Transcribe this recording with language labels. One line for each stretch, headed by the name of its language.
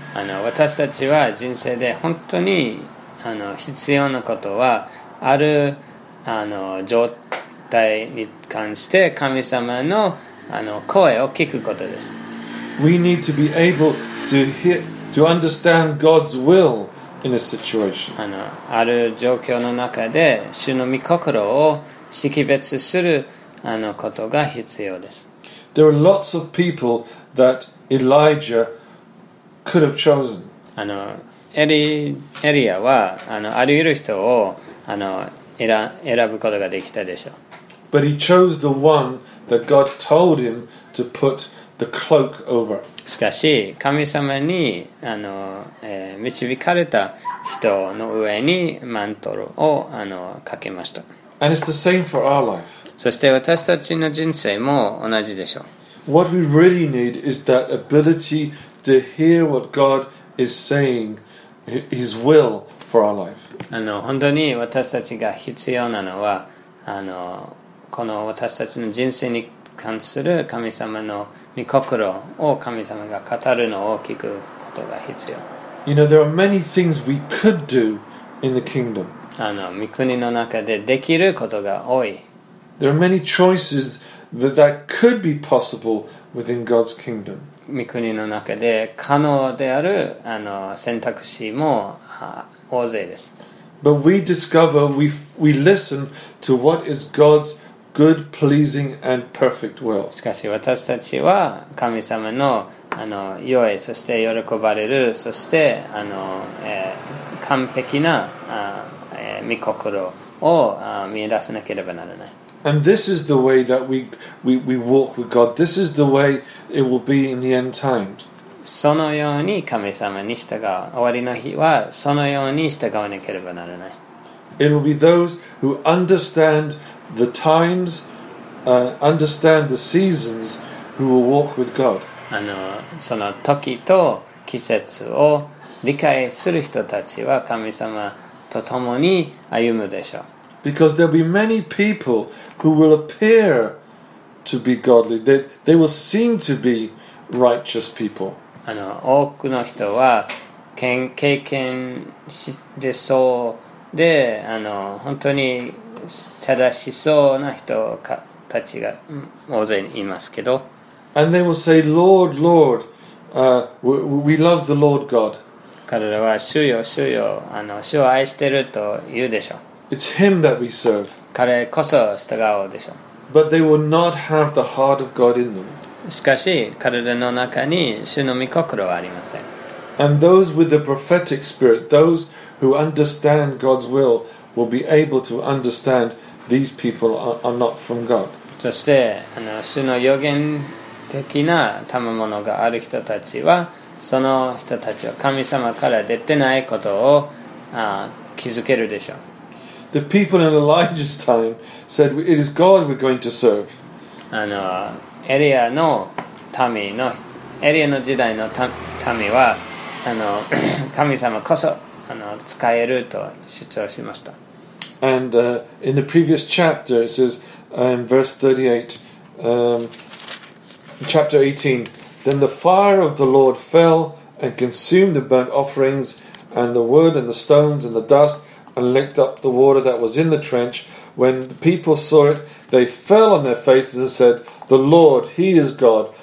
Japanese: あの私たちは人生で本当にあの必要なことはあるあの状態に関して神様の、 あの声を聞くことです。
English: We need to be able to hear, to understand God's will in a situation.
Japanese: あの、ある状況の中で主の御心を識別するあのことが必要です。
English: There are lots of people that Elijah could have chosen.
Japanese: あの、エリアはあの、あらゆる人をあの、選ぶことができたでしょう。
English: But he chose the one that God told him to put the cloak over.
Japanese: しかし、神様にあの、導かれた人の上にマントルをあのかけました。
English: And it's the same for our life.
Japanese: そして私たちの人生も同じでしょう。
English: What we really need is that ability to hear what God is saying, His will. For our life.
Japanese: あの本当に私たちが必要なのはあのこの私たちの人生に関する神様の御心を神様が語るのを聞くことが必要。
English: You know, there are many things we could do in the kingdom.
Japanese: あの御国の中でできることが多い。
English: There are many choices that could be possible within God's kingdom.
Japanese: 御国の中で可能であるあの選択肢も大勢です。
English: But we discover, we listen to what is God's good, pleasing, and perfect will.
Japanese: しかし私たちは神様の、 あの良い、そして喜ばれる、そしてあの、完璧な、御心を、見出さなければならない。
English: And this is the way that we walk with God. This is the way it will be in the end times.
Japanese: そのように神様に従う。終わりの日はそのように従わなければならない。
English: It will be those who understand the times, understand the seasons, who will walk with God.
Japanese: あの、その時と季節を理解する人たちは神様と共に歩むでしょう。
English: Because there'll be many people who will appear to be godly. They will seem to be righteous people.
Japanese: あの、多くの人は経験でそうで、あの、本当に正しそうな人たちが大勢いますけど。
English: And they will say, Lord, Lord, we love the Lord God.
Japanese: 彼らは、主よ、主よ、あの、主を愛していると言うでしょう。
English: It's him that we serve.
Japanese: 彼こそ従おうでしょう。
English: But they will not have the heart of God in them.
Japanese: しかし、彼らの中に主の御心はありません。
English: And those with the prophetic spirit, those who understand God's will be able to understand these people are not from God.
Japanese: そして、あの、主の預言的な賜物がある人たちは、その人たちは神様から出てないことを、気づけるでしょう。
English: The people in Elijah's time said, "It is God we're going to serve."
Japanese: あの、エリアの民の、エリアの時代の民は、あの、神様こそ、あの、使えると主張しました。
English: And in the previous chapter, it says, in verse 38, chapter 18, "Then the fire of the Lord fell and consumed the burnt offerings and the wood and the stones and the dust. And licked up the water that was in the trench. When the people saw it, they fell on their faces and said, "The Lord, He is God.